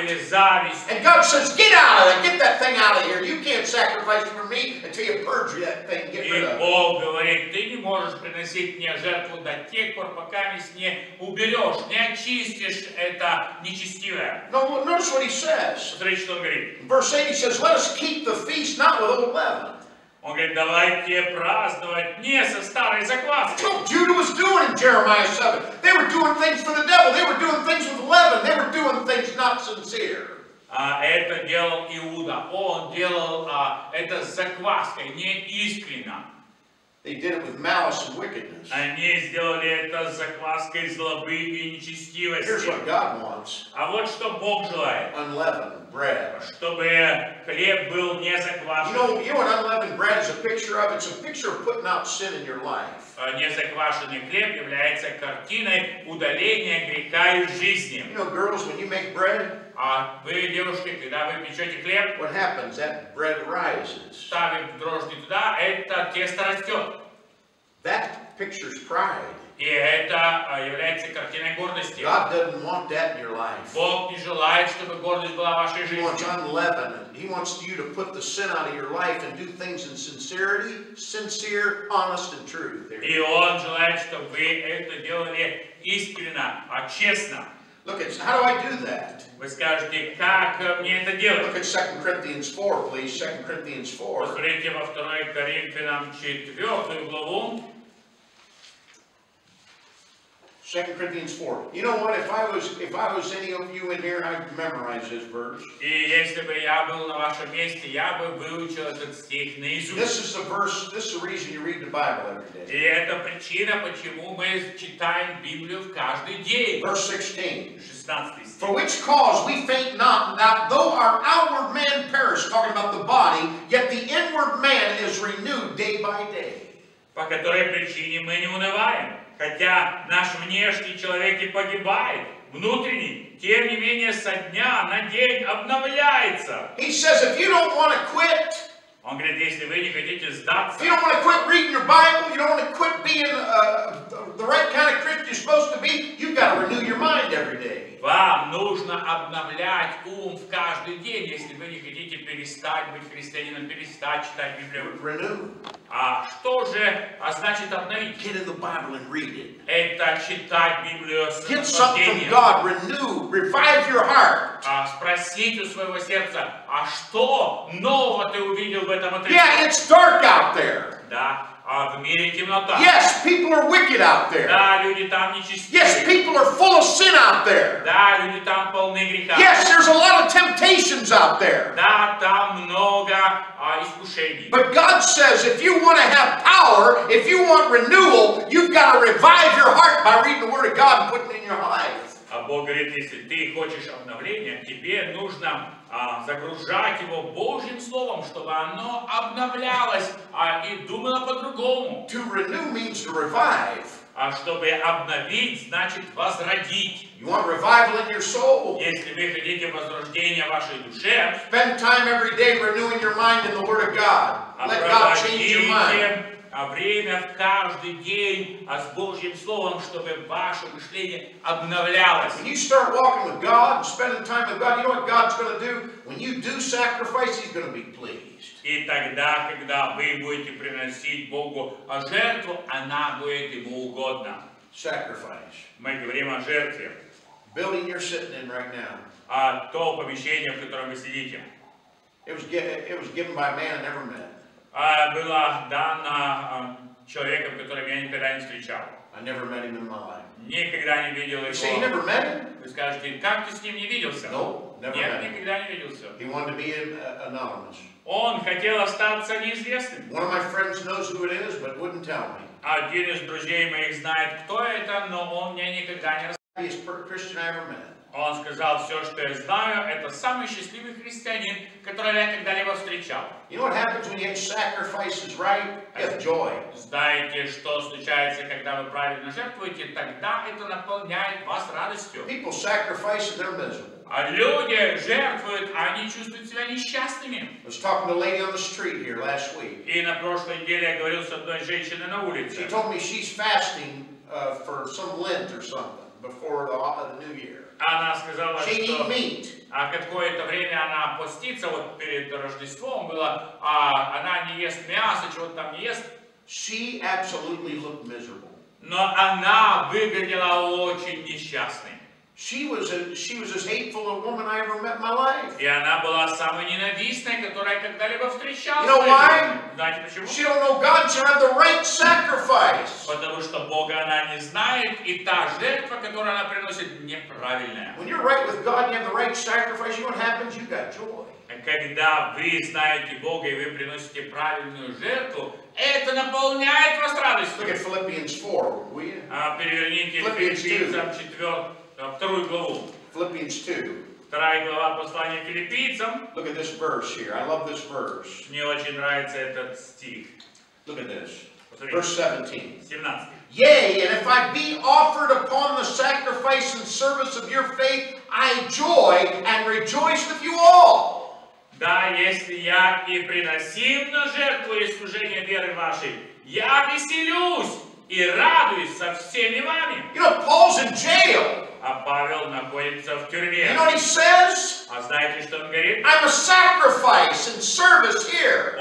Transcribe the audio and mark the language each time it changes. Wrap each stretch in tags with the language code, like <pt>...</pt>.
<en>And God says, get out of there, get that thing out of here. You can't sacrifice for me until you purge that thing, get rid of it.</en> <ru>И Бог говорит, ты не можешь приносить мне жертву до тех пор, пока ты не уберешь, не очистишь это нечестивое.</ru> <en>No, notice what he says.</en> <ru>Смотрите, что он говорит.</ru> <en>Verse 8 he says, let us keep the feast not with old leaven.</en> <ru>Он говорит, давайте праздновать не со старой закваской.</ru> <en>That's what Judah was doing in Jeremiah 7. They were doing things for the devil. They were doing things with leaven. They were doing things not sincere.</en> <ru>Это делал Иуда. Он делал это с закваской, не искренно.</ru> <en>They did it with malice and wickedness.</en> <ru>Они сделали это с закваской злобы и нечестивости.</ru> <en>Here's what God wants.</en> <ru>А вот что Бог желает.</ru> <en>Unleavened bread.</en> <ru>Чтобы хлеб был не заквашен.</ru> <en>You know what unleavened bread is a picture of? It's a picture of putting out sin in your life.</en> <ru>Незаквашенный хлеб является картиной удаления греха из жизни.</ru> <en>You know, girls, when you make bread,</en> <ru>а вы, девушки, когда вы печете хлеб,</ru> <en>what happens? That bread rises.</en> <ru>Ставим дрожжи туда, это тесто растет.</ru> <en>That picture's pride.</en> <ru>И это является картиной гордости.</ru> <en>God doesn't want that in your life.</en> <ru>Бог не желает, чтобы гордость была в вашей жизни.</ru> <en>He wants unleavened. He wants you to put the sin out of your life and do things in sincerity, sincere, honest, and truth.</en> <ru>И Он желает, чтобы вы это делали искренно, а честно.</ru> <en>Look at, how do I do that?</en> <ru>Вы скажете, как мне это делать?</ru> <en>Look at 2 Corinthians 4, please. 2 Corinthians 4.</en> <ru>Посмотрите во 2 Коринфянам 4 главу.</ru> <en>2 Corinthians 4. You know what? If I was any of you in here, I'd memorize this verse.</en> <ru>И если бы я был на вашем месте, я бы выучил этот стих наизусть.</ru> <en>This is the verse. This is the reason you read the Bible every day.</en> <ru>И это причина, почему мы читаем Библию в каждый день.</ru> <en>Verse 16.</en> <ru>16 стих.</ru> <en>For which cause we faint not, that though our outward man perish, talking about the body, yet the inward man is renewed day by day.</en> <ru>По которой причине мы не унываем. Хотя наш внешний человек и погибает, внутренний, тем не менее, со дня на день обновляется.</ru> <en>He says, if you don't want to quit,</en> <ru>он говорит, если вы не хотите сдаться,</ru> <en>if you don't want to quit reading your Bible, you don't want to quit being the right kind of Christian you're supposed to be, you've got to renew your mind every day.</en> <ru>Вам нужно обновлять ум в каждый день, если вы не хотите перестать быть христианином, перестать читать Библию.</ru> <en>Renew.</en> <ru>А что же значит обновить?</ru> <en>Get in the Bible and read it.</en> <ru>Это читать Библию с</ru> <en>Get something from God. Renew. Revive your heart.</en> <ru>А спросить у своего сердца, а что нового ты увидел в этом отрывке?</ru> <en>Yeah, it's dark out there.</en> <ru>Да. В мире темнота.</ru> <en>Yes, people are wicked out there.</en> <ru>Да, люди там нечистые.</ru> <en>Yes, people are full of sin out there.</en> <ru>Да, люди там полны греха.</ru> <en>Yes, there's a lot of temptations out there.</en> <ru>Да, там много искушений.</ru> <en>But God says, if you want to have power, if you want renewal, you've got to revive your heart by reading the Word of God and putting it in your life.</en> <ru>А Бог говорит, если ты хочешь обновления, тебе нужно загружать его Божьим Словом, чтобы оно обновлялось и думало по-другому.</ru> <en>To renew means to revive.</en> <ru>А чтобы обновить, значит возродить.</ru> <en>You want revival in your soul?</en> <ru>Если вы хотите возрождение вашей душе,</ru> <en>spend time every day renewing your mind in the Word of God. Let God change your mind.</en> <ru>А время в каждый день, а с Божьим Словом, чтобы ваше мышление обновлялось.</ru> <en>When you start walking with God, spending time with God, you know what God's going to do? When you do sacrifice, He's going to be pleased.</en> <ru>И тогда, когда вы будете приносить Богу жертву, она будет Ему угодна.</ru> <en>Sacrifice.</en> <ru>Мы говорим о жертве.</ru> <en>Building you're sitting in right now.</en> <ru>А то помещение, в котором вы сидите.</ru> <en>It was given by a man I never met.</en> <ru>Была дана человеком, которым я никогда не встречал.</ru> <en>I never met him in my life.</en> <ru>Никогда не видел его.</ru> <en>You say, you never met him?</en> <ru>Вы скажете, как ты с ним не виделся?</ru> <en>No, never</en> <ru>Нет,</ru> <en>met</en> <ru>никогда</ru> <en>him.</en> <ru>Не виделся.</ru> <en>He wanted to be anonymous.</en> <ru>Он хотел остаться неизвестным.</ru> <en>One of my friends knows who it is, but wouldn't tell me.</en> <ru>Один из друзей моих знает, кто это, но он мне никогда не рассказал.</ru> <en>He's the Christian I ever met.</en> <ru>Он сказал, все, что я знаю, это самый счастливый христианин, которого я когда-либо встречал.</ru> <en>You know what happens when you sacrifice is right? It's joy.</en> <ru>Знаете, что случается, когда вы правильно жертвуете, тогда это наполняет вас радостью.</ru> <en>People sacrifice and they're miserable.</en> <ru>А люди жертвуют, а они чувствуют себя несчастными.</ru> <en>I was talking to a lady on the street here last week.</en> <ru>И на прошлой неделе я говорил с одной женщиной на улице.</ru> <en>She told me she's fasting for some Lent or something before the New Year.</en> <ru>Она сказала,</ru> <en>she</en> <ru>что</ru> <en>need meat.</en> <ru>А какое-то время она постится, вот перед Рождеством было, а она не ест мясо, чего-то там не ест.</ru> <en>She absolutely looked miserable.</en> <ru>Но она выглядела очень несчастной.</ru> <en>She was as hateful a woman I ever met in my life.</en> <ru>И она была самой ненавистной, которую я когда-либо встречал.</ru> <en>You know why?</en> <ru>Знаете почему?</ru> <en>She don't know God, she had the right sacrifice.</en> <ru>Потому что Бога она не знает, и та жертва, которую она приносит, неправильная.</ru> <en>When you're right with God, you have the right sacrifice. You know what happens? You got joy.</en> <ru>Когда вы знаете Бога и вы приносите правильную жертву, это наполняет вас радостью.</ru> <en>Look at Philippians 4, will you?</en> <ru>Переверните Филиппийцам 4. Вторую главу.</ru> <en>Philippians 2.</en> <ru>Вторая глава послания Филиппийцам.</ru> <en>Look at this verse here. I love this verse.</en> <ru>Мне очень нравится этот стих.</ru> <en>Look at this. Verse 17.</en> <ru>17.</ru> <en>Yea, and if I be offered upon the sacrifice and service of your faith, I joy and rejoice with you all.</en> <ru>Да, если я и приносим на жертву и служение веры вашей, я веселюсь и радуюсь со всеми вами.</ru> <en>You know, Paul's in jail.</en> <ru>А Павел находится в тюрьме.</ru> <en>You know what he says?</en> <ru>А знаете, что он говорит?</ru> <en>I'm a sacrifice and service here.</en>